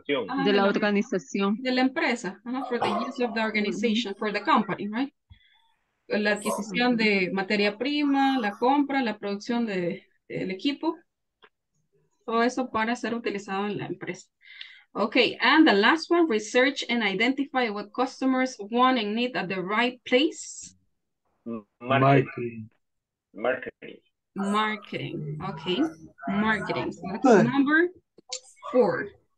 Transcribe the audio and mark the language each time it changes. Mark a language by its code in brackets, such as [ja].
[es] Para el uso de la organización de la empresa [en] for the use of the organization, for the company, right? [es] La adquisición de materia prima, la compra, la producción de el equipo, todo eso para ser utilizado en la empresa. [en] Okay, and the last one, research and identify what customers want and need at the right place. Marketing. Okay, marketing. So that's number Four.